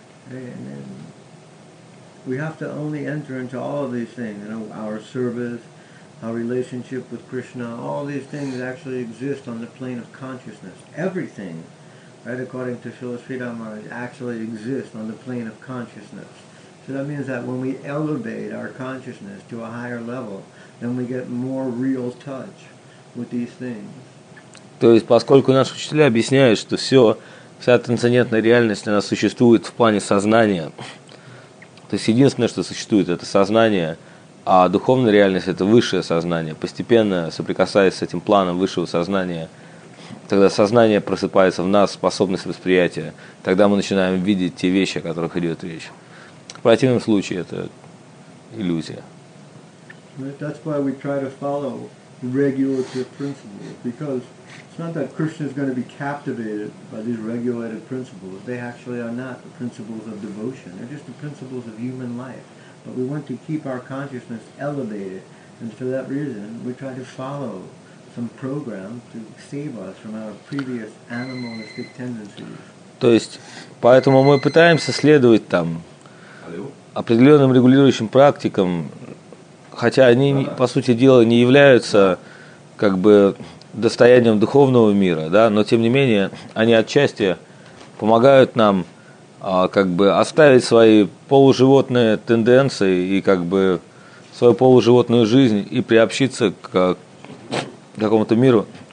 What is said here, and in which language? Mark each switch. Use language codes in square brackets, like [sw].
[en] And then we have to only enter into all of these things. You know, our service, our relationship with Krishna, all these things actually exist on the plane of consciousness. Everything, right, according to Śrīla Śrīdhara, actually exists on the plane of consciousness. So that means that when we elevate our consciousness to a higher level, then we get more real touch with these things. [ru] То есть, поскольку наши учителя объясняют, что вся трансцендентная реальность, она существует в плане сознания, то есть единственное, что существует, это сознание, а духовная реальность – это высшее сознание. Постепенно, соприкасаясь с этим планом высшего сознания, тогда сознание просыпается в нас, способность восприятия, тогда мы начинаем видеть те вещи, о которых идет речь. В противном случае это иллюзия. [en] That's why we try to follow regulative principles, because it's not that Krishna is going to be captivated by these regulated principles. They actually are not the principles of devotion. They're just the principles of human life. But we want to keep our consciousness elevated, and for that reason, we try to follow some program to save us from our previous animalistic tendencies. [ru] То есть, поэтому мы пытаемся следовать там определенным регулирующим практикам, хотя они, по сути дела, не являются как бы достоянием духовного мира, да, но тем не менее они отчасти помогают нам как бы оставить свои полуживотные тенденции и как бы свою полуживотную жизнь и приобщиться к какому-то миру.